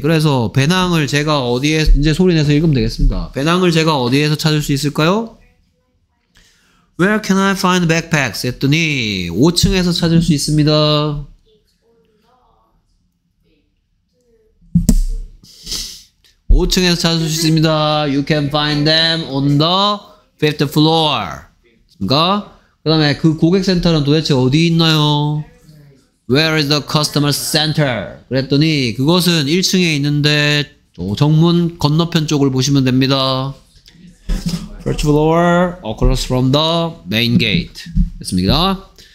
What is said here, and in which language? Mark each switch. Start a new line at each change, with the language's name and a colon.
Korean: 그래서 배낭을 제가 어디에 이제 소리 내서 읽으면 되겠습니다. 배낭을 제가 어디에서 찾을 수 있을까요?
English: Where can I find backpacks?
Korean: 했더니 5층에서 찾을 수 있습니다. 5층에서 찾을 수 있습니다.
English: You can find them on the fifth floor.
Korean: 그니까? 그 다음에 그 고객센터는 도대체 어디 있나요?
English: Where is the customer center?
Korean: 그랬더니 그것은 1층에 있는데 정문 건너편 쪽을 보시면 됩니다.
English: First floor across from the main gate.
Korean: 됐습니다.